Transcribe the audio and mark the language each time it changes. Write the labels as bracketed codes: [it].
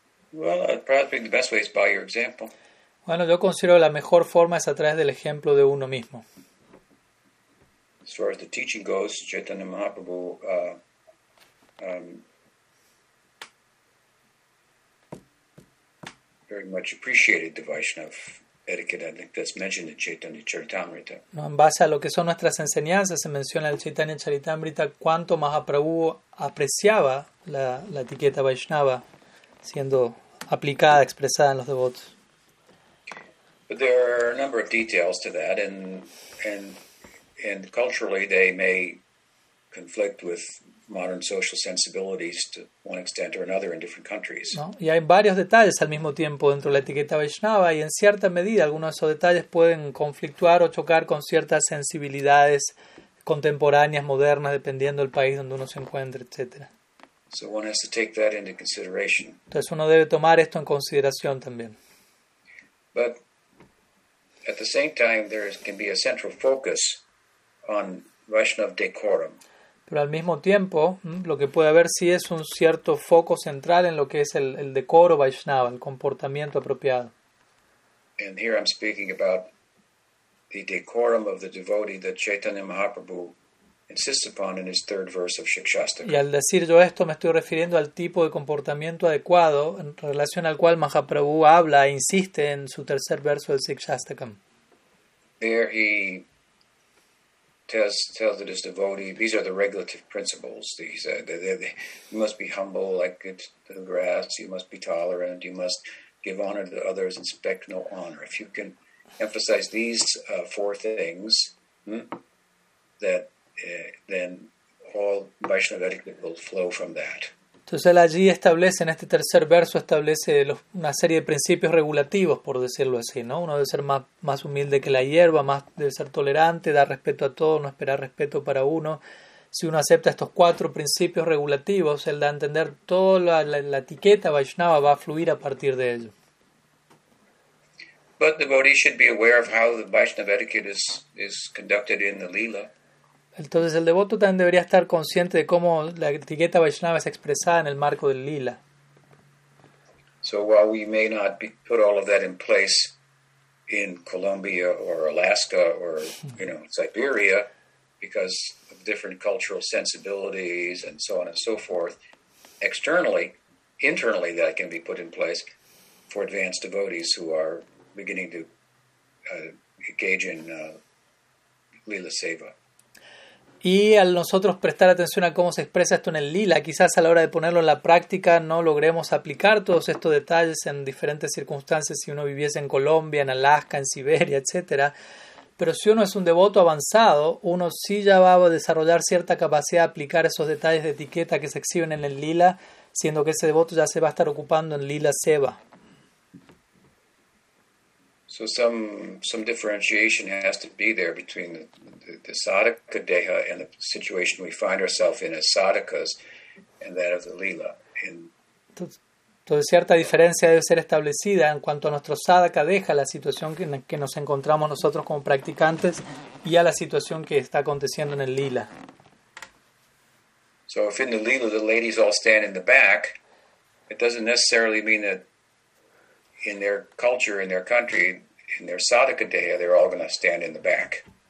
[en] Well, probably the best way is by your example. [es] Bueno, yo considero la mejor forma es a través del ejemplo de uno mismo. [en] As far as the teaching goes, Chaitanya Mahaprabhu very much appreciated the Vaishnava etiquette. I think that's mentioned in Chaitanya Charitamrita. [es] No, en base a lo que son nuestras enseñanzas, se menciona el Chaitanya Charitamrita cuánto Mahaprabhu apreciaba la etiqueta Vaishnava siendo aplicada, expresada en los devotos. [en] But there are a number of details to that, and culturally they may conflict with modern social sensibilities to one extent or another in different countries. [es] No, y hay varios detalles al mismo tiempo dentro de la etiqueta Vaishnava, y en cierta medida algunos de esos detalles pueden conflictuar o chocar con ciertas sensibilidades contemporáneas, modernas, dependiendo del país donde uno se encuentre, etc. [en] So one has to take that into consideration. [es] Entonces uno debe tomar esto en consideración también. [en] But at the same time, there can be a central focus on Vaishnav decorum. [es] Pero al mismo tiempo, lo que puede haber sí es un cierto foco central en lo que es el decoro Vaishnava, el comportamiento apropiado. [en] And here I'm speaking about the decorum of the devotee that Chaitanya Mahaprabhu insists upon in his third verse of Shikshastra. [es] Y al decir yo esto, me estoy refiriendo al tipo de comportamiento adecuado en relación al cual Mahaprabhu habla e insiste en su tercer verso del Shikshastakam. [en] There he tells that his devotee, these are the regulative principles. You must be humble like the grass, you must be tolerant, you must give honor to others, inspect no honor. If you can emphasize these four things, then all Vaishnava etiquette will flow from that. [es] Entonces él allí establece, en este tercer verso, establece una serie de principios regulativos, por decirlo así, ¿no? Uno debe ser más humilde que la hierba, más debe ser tolerante, dar respeto a todos, no esperar respeto para uno. Si uno acepta estos cuatro principios regulativos, él da a entender toda la etiqueta Vaishnava va a fluir a partir de ello. [en] But the devotee should be aware of how the Vaishnava etiquette is conducted in the Leela. [es] Entonces el devoto también debería estar consciente de cómo la etiqueta Vaishnava es expresada en el marco del lila. [en] So while we may not put all of that in place in Colombia or Alaska or, you know, Siberia, because of different cultural sensibilities and so on and so forth, externally, internally that can be put in place for advanced devotees who are beginning to engage in lila seva. [es] Y al nosotros prestar atención a cómo se expresa esto en el lila, quizás a la hora de ponerlo en la práctica no logremos aplicar todos estos detalles en diferentes circunstancias si uno viviese en Colombia, en Alaska, en Siberia, etc. Pero si uno es un devoto avanzado, uno sí ya va a desarrollar cierta capacidad de aplicar esos detalles de etiqueta que se exhiben en el lila, siendo que ese devoto ya se va a estar ocupando en lila seva. [en] So some differentiation has to be there between the sadhaka deha and the situation we find ourselves in as sadhakas and that of the lila. [es] Entonces cierta diferencia debe ser establecida en cuanto a nuestro sadhaka deha, la situación en que nos encontramos nosotros como practicantes y a la situación que está aconteciendo en el lila. [en] So if in the lila the ladies all stand in the back, it doesn't necessarily mean that in their culture, in their country, in their sadhaka deha, they're all going to stand in the back.